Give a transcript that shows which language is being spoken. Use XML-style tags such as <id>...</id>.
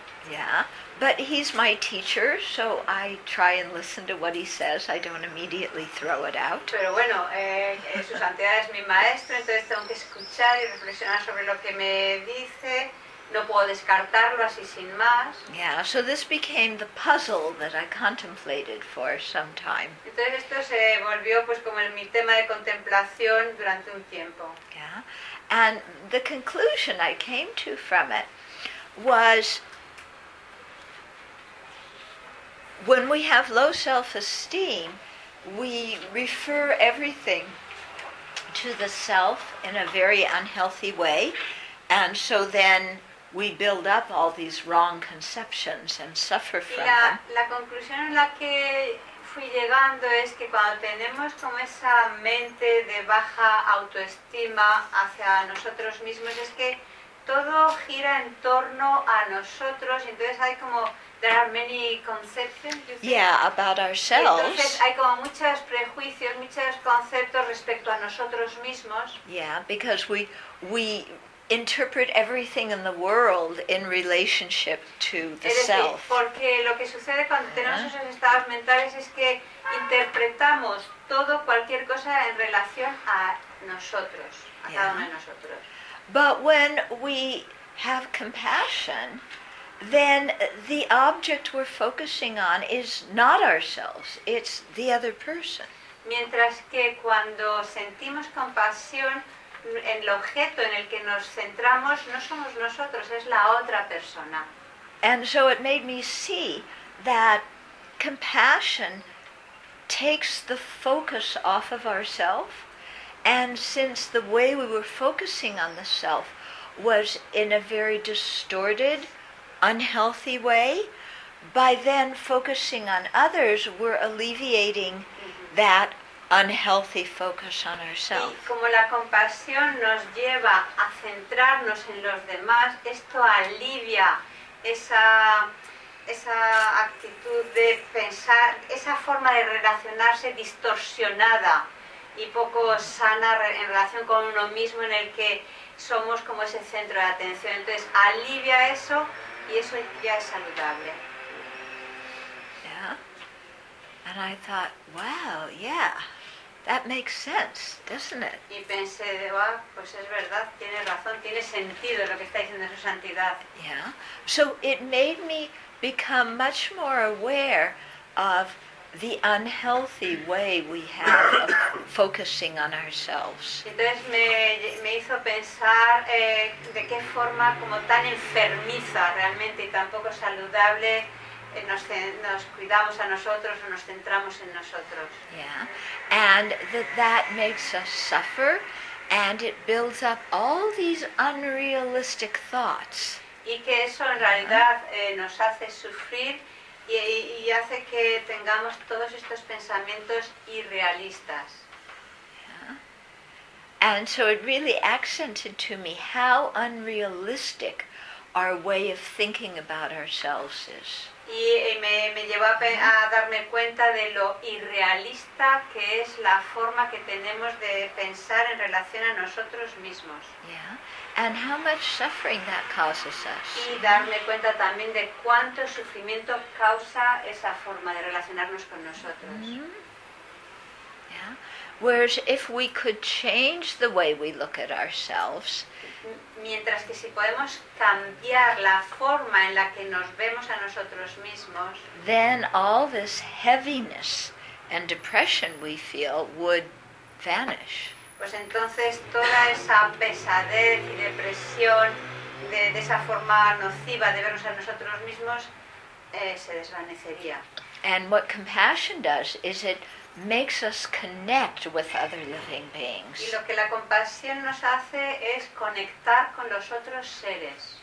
<en>Yeah, but He's my teacher, so I try and listen to what He says. I don't immediately throw it out.</en> <es>Pero bueno, Su Santidad es mi maestro, entonces tengo que escuchar y reflexionar sobre lo que me dice. No puedo descartarlo así sin más.</es> <en>Yeah, so this became the puzzle that I contemplated for some time.</en> <es>Entonces esto se volvió pues como mi tema de contemplación durante un tiempo.</es> <en>Yeah, and the conclusion I came to from it was when we have low self-esteem, we refer everything to the self in a very unhealthy way, and so then we build up all these wrong conceptions and suffer from them.</en> <es>La conclusión en la que fui llegando es que cuando tenemos como esa mente de baja autoestima hacia nosotros mismos, es que todo gira en torno a nosotros, y entonces hay como,</es> <en>there are many conceptions, you think? Yeah, about ourselves.</en> <es>Entonces hay como muchos prejuicios, muchos conceptos respecto a nosotros mismos.</es> <en>Yeah, because we interpret everything in the world in relationship to the self.</en> <es>Porque lo que sucede cuando tenemos esos estados mentales es que interpretamos todo, cualquier cosa en relación a nosotros, a cada uno de nosotros.</es> <en>But when we have compassion, then the object we're focusing on is not ourselves, it's the other person.</en> <es>Mientras que cuando sentimos compasión, el objeto en el que nos centramos no somos nosotros, es la otra persona.</es> <en>And so it made me see that compassion takes the focus off of ourself, and since the way we were focusing on the self was in a very distorted, unhealthy way, by then focusing on others, we're alleviating that unhealthy focus on ourselves.</en> <es>Y como la compasión nos lleva a centrarnos en los demás, esto alivia esa actitud de pensar, esa forma de relacionarse distorsionada y poco sana en relación con uno mismo, en el que somos como ese centro de atención. Entonces alivia eso y eso ya es saludable.</es> <en>Yeah. And I thought, wow, yeah. That makes sense, doesn't it?</en> <es>Y pensé, pues es verdad, tiene razón, tiene sentido lo que está diciendo Su Santidad.</es> <en>Yeah. So it made me become much more aware of the unhealthy way we have of focusing on ourselves.</en> <es>Entonces me hizo pensar de qué forma como tan enfermiza realmente y tan poco saludable nos cuidamos a nosotros o nos centramos en nosotros.</es> <en>Yeah, and that makes us suffer, and it builds up all these unrealistic thoughts.</en> <es>Y que eso en realidad nos hace sufrir y hace que tengamos todos estos pensamientos irrealistas.</es> <en>Yeah. And so it really accented to me how unrealistic our way of thinking about ourselves is.</en> <es>Y me llevó a darme cuenta de lo irrealista que es la forma que tenemos de pensar en relación a nosotros mismos.</es> <en>Yeah. And how much suffering that causes us.</en> <es>Y darme cuenta también de cuánto sufrimiento causa esa forma de relacionarnos con nosotros. Mm-hmm. Yeah.</es> <en>Whereas if we could change the way we look at ourselves,</en> <es>mientras que si podemos cambiar la forma en la que nos vemos a nosotros mismos,</es> <en>then all this heaviness and depression we feel would vanish.</en> <es>Pues entonces toda esa pesadez y depresión de esa forma nociva de vernos a nosotros mismos se desvanecería.</es> <en>And what compassion does is it makes us connect with other living beings.</en> <es>Y lo que la compasión nos hace es conectar con los otros seres.</es>